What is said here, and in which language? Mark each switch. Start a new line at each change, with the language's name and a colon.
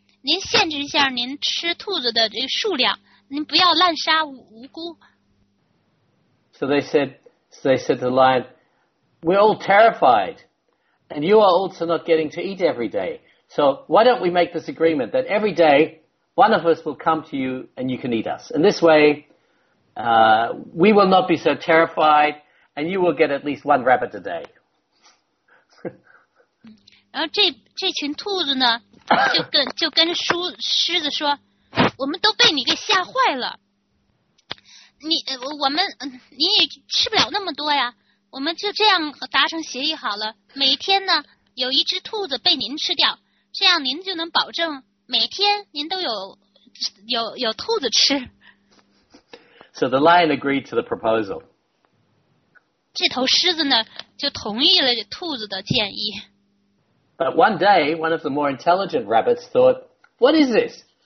Chinese: 您限制一下您吃兔子的这个数量，您不要滥杀无辜。
English: So they said to the lion, "We're all terrified, and you are also not getting to eat every day. So why don't we make this agreement that every day one of us will come to you and you can eat us? And this way, we will not be so terrified, and you will get at least one rabbit a day."
Chinese: 然后这群兔子呢，就跟狮子说，我们都被你给吓坏了，你也吃不了那么多呀，我们就这样达成协议好了，每天呢有一只兔子被您吃掉，这样您就能保证每天您都有兔子吃。
English: So the lion agreed to the proposal.
Chinese: 这头狮子呢就同意了兔子的建议。
English: But one day, one of the more intelligent rabbits thought, "What is this?